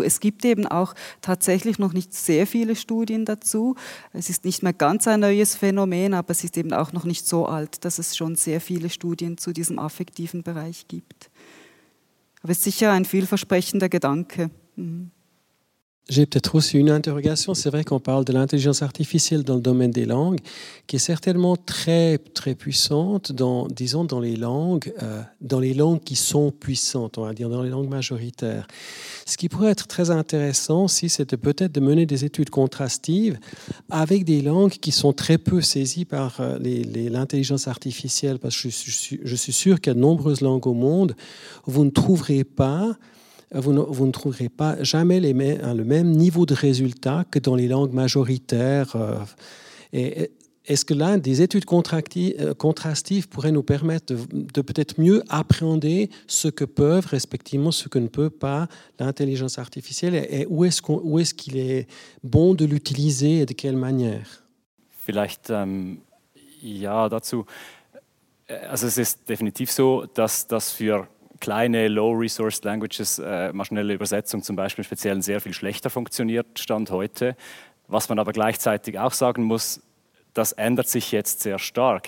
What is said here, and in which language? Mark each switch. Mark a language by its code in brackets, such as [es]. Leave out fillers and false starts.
[de] Es gibt eben auch tatsächlich noch nicht sehr viele Studien dazu. Es ist nicht mehr ganz ein neues Phänomen, aber es ist eben auch noch nicht so alt, dass es schon sehr viele Studien zu diesem affektiven Bereich gibt. Aber es ist sicher ein vielversprechender Gedanke. [fr] J'ai peut-être aussi une interrogation. C'est vrai qu'on parle de l'intelligence artificielle dans le domaine des langues, qui est certainement très, très puissante dans, disons, dans les langues qui sont puissantes, on va dire, dans les langues majoritaires. Ce qui pourrait être très intéressant, si c'était peut-être de mener des études contrastives avec des langues qui sont très peu saisies par l'intelligence artificielle, parce que je suis sûr qu'il y a de nombreuses langues au monde, vous ne trouverez pas jamais le même niveau de résultat que dans les langues majoritaires. Et est-ce que là, des études contrastives pourraient nous permettre de peut-être mieux appréhender ce que peuvent, respectivement, ce que ne peut pas l'intelligence artificielle, et où est-ce qu'il est bon de l'utiliser et de quelle manière? [de] Vielleicht, ja, dazu. Also es ist definitiv so, dass das für kleine Low-Resource-Languages, maschinelle Übersetzung zum Beispiel im Speziellen, sehr viel schlechter funktioniert, Stand heute. Was man aber gleichzeitig auch sagen muss, das ändert sich jetzt sehr stark.